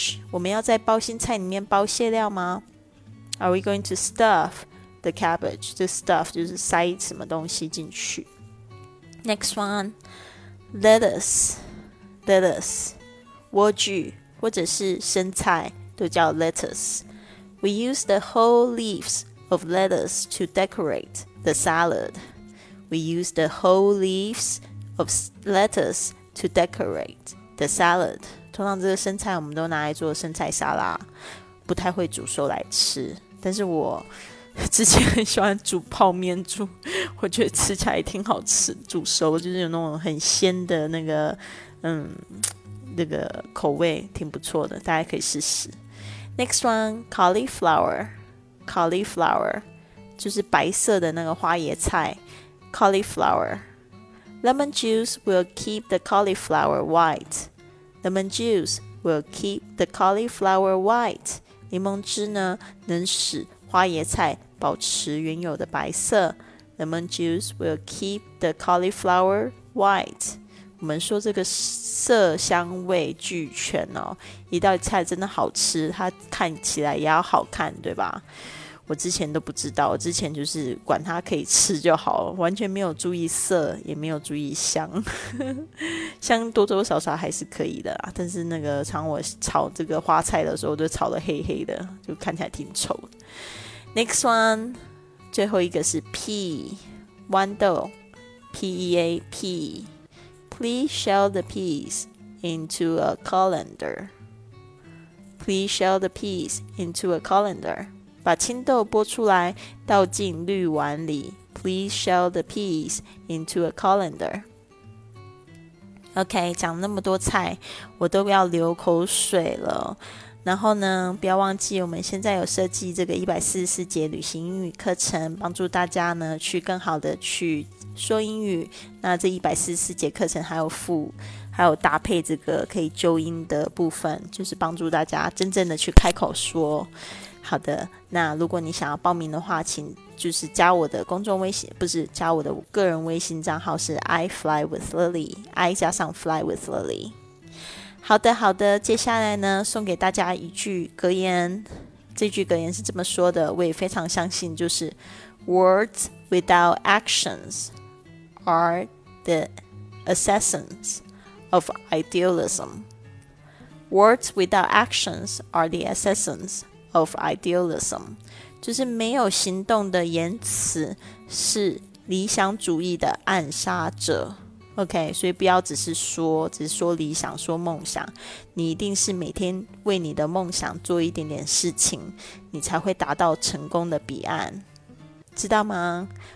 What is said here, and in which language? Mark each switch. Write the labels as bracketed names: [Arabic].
[Chinese] 我们要在包心菜里面包蟹料吗？ [English] Are we going to stuff the cabbage? [Chinese] 这 stuff 就是塞什么东西进去。 [English] Next one， [Chinese] Lettuce 莴苣或者是生菜都叫 lettuce。 [English] We use the whole leaves of lettuce to decorate the salad。 we use the whole leaves of lettuce to decorate the salad. [Chinese] 通常这个生菜我们都拿来做生菜沙拉，不太会煮熟来吃。但是我之前很喜欢煮泡面煮，我觉得吃起来挺好吃，煮熟就是有那种很鲜的那个那个口味挺不错的，大家可以试试。 [English] Next one, [Chinese] cauliflower. Cauliflower 就是白色的那个花椰菜。 [English] Cauliflower. Lemon juice will keep the cauliflower white. Lemon juice will keep the cauliflower white. [Chinese] 柠檬汁呢，能使花椰菜保持原有的白色。 [English] Lemon juice will keep the cauliflower white. [Chinese] 我们说这个色香味俱全哦，一道菜真的好吃，它看起来也要好看，对吧？我之前都不知道，我之前就是管它可以吃就好，完全没有注意色，也没有注意香。香多多少少还是可以的啦，但是那个常我炒这个花菜的时候，都炒得黑黑的，就看起来挺丑。 [English] Next one， [Chinese] 最后一个是 pea， 豌豆 ，pea pea。 [English] Please shell the peas into a colander. Please shell the peas into a colander. [Chinese] 把青豆剥出来，倒进滤碗里。 [English] Please shell the peas into a colander. [Chinese] OK， 讲那么多菜，我都要流口水了。然后呢，不要忘记我们现在有设计这个144节旅行英语课程，帮助大家呢去更好的去说英语。那这144节课程还有搭配这个可以纠音的部分，就是帮助大家真正的去开口说。好的，那如果你想要报名的话，请就是加我的公众微信，不是加我的个人微信账号，是 I fly with Lily， I 加上 fly with Lily。好的好的，接下来呢送给大家一句格言，这句格言是这么说的，我也非常相信，就是 [English] Words without actions are the assassins of idealism. Words without actions are the assassins of idealism. [Chinese] 就是没有行动的言辞是理想主义的暗杀者。 OK， 所以不要只是说理想，说梦想，你一定是每天为你的梦想做一点点事情，你才会达到成功的彼岸，知道吗？